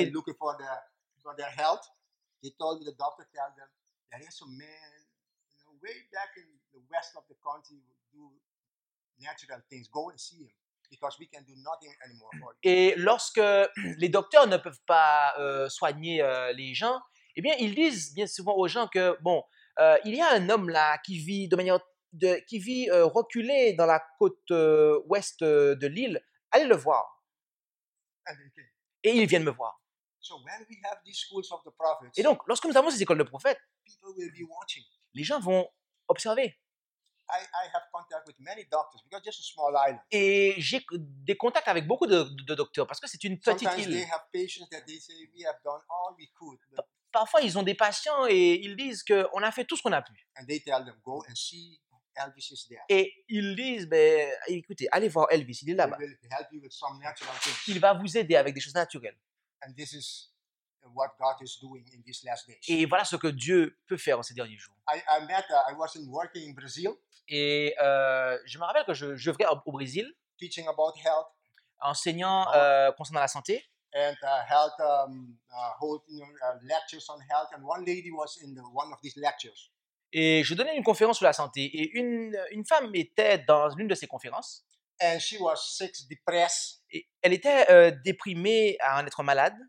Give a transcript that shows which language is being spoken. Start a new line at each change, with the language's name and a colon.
English: When they were sick and looking for their health, they told me the doctor tell them there is a man, you know, way back in the west of the country who do natural things. Go and see him. Because we can do nothing anymore for you.
French: Et lorsque les docteurs ne peuvent pas soigner les gens, eh bien, ils disent bien souvent aux gens que, bon, il y a un homme là qui vit de manière qui vit reculé dans la côte ouest de l'île, allez le voir. Et ils viennent me voir.
English: So when we have these schools of the prophets,
French: et donc, lorsque nous avons ces écoles de prophètes,
English: people will be watching.
French: Les gens vont observer.
English: I have contact with many doctors because just a small island.
French: Et j'ai des contacts avec beaucoup de docteurs parce que c'est une petite île.
English: Sometimes they have patients that they say we have done all we could.
French: Parfois ils ont des patients et ils disent que on a fait tout ce qu'on a pu.
English: And they tell them go and see Elvis is there.
French: Et ils disent ben écoutez allez voir Elvis il est là-bas.
English: He will help you with some natural things.
French: Il va vous aider avec des choses naturelles.
English: And this is what God is doing in these last days.
French: Et voilà ce que Dieu peut faire en ces derniers jours.
English: I wasn't working in Brazil.
French: Et je me rappelle que je vais au Brésil,
English: teaching about health,
French: enseignant concernant la santé.
English: And health, holding lectures on health, and one lady was in one of these lectures.
French: Et je donnais une conférence sur la santé, et une femme était dans l'une de ces conférences.
English: And she was sick, depressed.
French: Et elle était déprimée à en être malade.